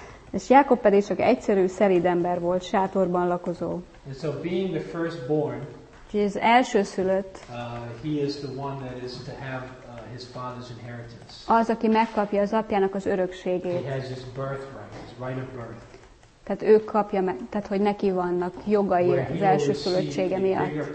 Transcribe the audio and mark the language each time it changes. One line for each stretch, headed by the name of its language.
Hungarian: És Jákob pedig csak egyszerű szelíd ember volt, sátorban lakozó.
English: And so being the firstborn,
Hungarian: az első szülött,
English: he is the one that is to have his father's inheritance.
Hungarian: Az, aki megkapja az apjának az örökségét.
English: He has his birthright, his right of birth.
Hungarian: Tehát ő kapja, tehát hogy neki vannak jogai az első szülöttsége miatt.